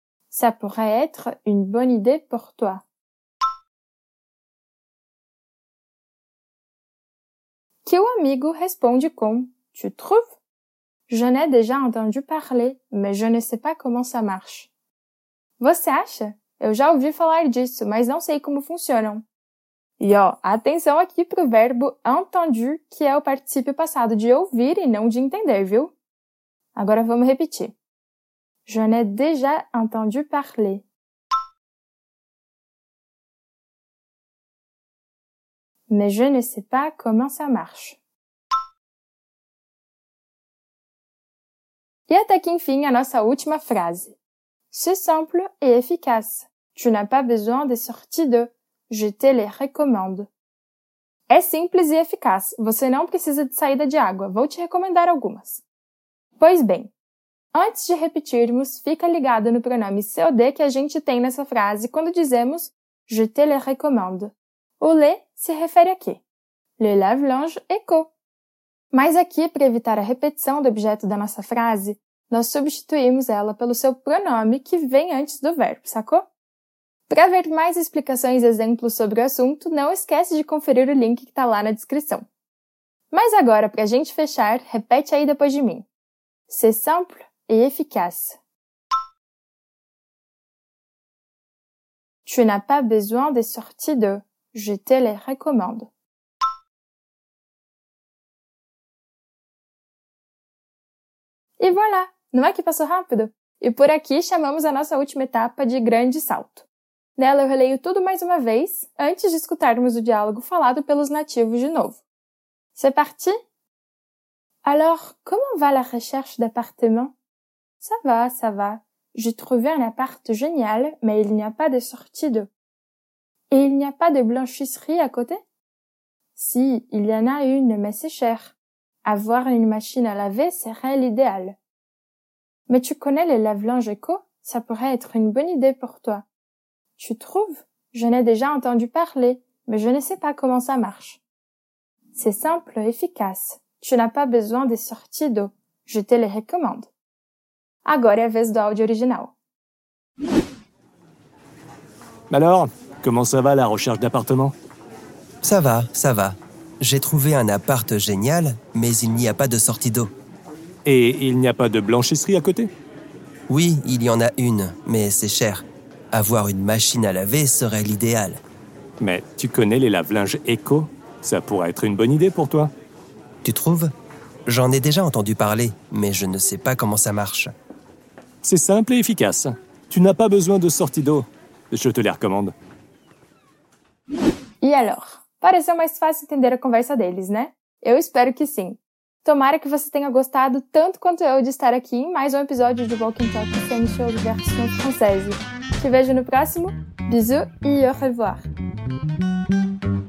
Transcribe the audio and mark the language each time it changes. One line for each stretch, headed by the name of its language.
French: Ça pourrait être une bonne idée pour toi.
Portuguese: Que o amigo responde com
French: tu trouves? J'en ai déjà entendu parler, mais je ne sais pas comment ça marche.
Portuguese: Você acha? Eu já ouvi falar disso, mas não sei como funcionam. E ó, atenção aqui para o verbo entendu, que é o particípio passado de ouvir e não de entender, viu? Agora vamos repetir.
French: J'en ai déjà entendu parler. Mais je ne sais pas comment ça marche.
Portuguese: E até que enfim, a nossa última frase.
French: C'est simple et efficace. Tu n'as pas besoin de sortir de. Je te les recommande.
Portuguese: É simples e eficaz. Você não precisa de saída de água. Vou te recomendar algumas. Pois bem, antes de repetirmos, fica ligado no pronome COD que a gente tem nessa frase quando dizemos
French: je te les recommande.
Portuguese: O le se refere a quê?
French: Le lave-linge éco.
Portuguese: Mas aqui, para evitar a repetição do objeto da nossa frase, nós substituímos ela pelo seu pronome que vem antes do verbo, sacou? Para ver mais explicações e exemplos sobre o assunto, não esquece de conferir o link que está lá na descrição. Mas agora, para a gente fechar, repete aí depois de mim.
French: C'est simple et efficace. Tu n'as pas besoin de sortir de. Je te les recommande.
Portuguese: E voilà! Não é que passou rápido? E por aqui chamamos a nossa última etapa de grande salto. Nela eu releio tudo mais uma vez, antes de escutarmos o diálogo falado pelos nativos de novo.
French: C'est parti? Alors, comment va la recherche d'appartement? Ça va, ça va. J'ai trouvé un appart génial, mais il n'y a pas de sortie d'eau. Et il n'y a pas de blanchisserie à côté? Si, il y en a une, mais c'est cher. Avoir une machine à laver serait l'idéal. Mais tu connais les lave-linges éco? Ça pourrait être une bonne idée pour toi. Tu trouves? J'en ai déjà entendu parler, mais je ne sais pas comment ça marche. C'est simple et efficace. Tu n'as pas besoin des sorties d'eau. Je te les recommande.
Portuguese: Agora é a vez do áudio original.
French: Alors, comment ça va la recherche d'appartement? Ça va, ça va. J'ai trouvé un appart génial, mais il n'y a pas de sortie d'eau. Et il n'y a pas de blanchisserie à côté? Oui, il y en a une, mais c'est cher. Avoir une machine à laver serait l'idéal. Mais tu connais les lave-linges éco? Ça pourrait être une bonne idée pour toi. Tu trouves? J'en ai déjà entendu parler, mais je ne sais pas comment ça marche. C'est simple et efficace. Tu n'as pas besoin de sortie d'eau. Je te les recommande.
Portuguese: E alors? Pareceu mais fácil entender a conversa deles, né? Eu espero que sim. Tomara que você tenha gostado tanto quanto eu de estar aqui em mais um episódio do Walking Talk sem show de versão francesa. Te vejo no próximo. Bisous e
French: au revoir.